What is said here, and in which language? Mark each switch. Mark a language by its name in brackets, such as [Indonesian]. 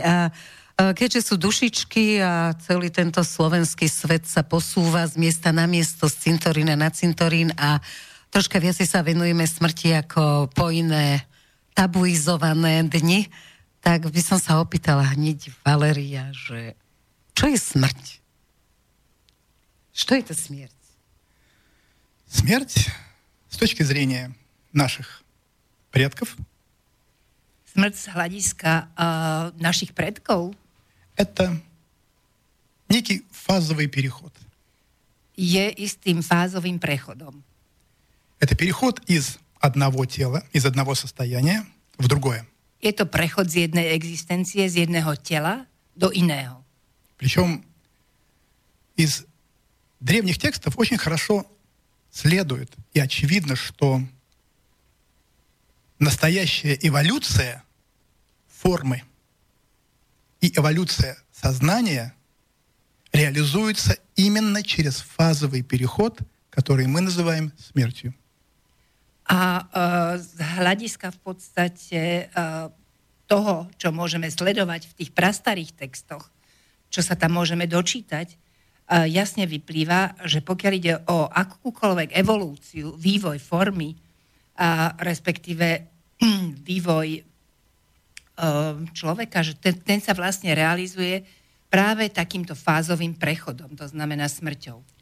[Slovak] A keďže sú dušičky a celý tento slovenský svet sa posúva z miesta na miesto, z cintorína na cintorín a troška viac sa venujeme smrti ako po iné tabuizované dni, tak by som sa opýtala hneď Valeria, že čo je smrť? Čo je to smrť? Smrť z točky zrenia našich predkov? Smrť z hľadiska našich predkov? [Russian] Это некий фазовый переход. [Slovak] Je istým fázovým prechodom. [Russian] Это переход из одного тела, из одного состояния в другое. [Slovak] Je to prechod z jednej existencie, z jedného tela do iného. [Russian] Причём из древних текстов очень хорошо следует и очевидно, что настоящая эволюция формы и эволюция сознания реализуется именно через фазовый переход, который мы называем смертью. [Slovak] A z hľadiska v podstate toho, čo môžeme sledovať v tých prastarých textoch, čo sa tam môžeme dočítať, jasne vyplýva, že pokiaľ ide o akúkoľvek evolúciu, vývoj formy, respektíve vývoj človeka, že ten sa vlastne realizuje práve takýmto fázovým prechodom, to znamená smrťou.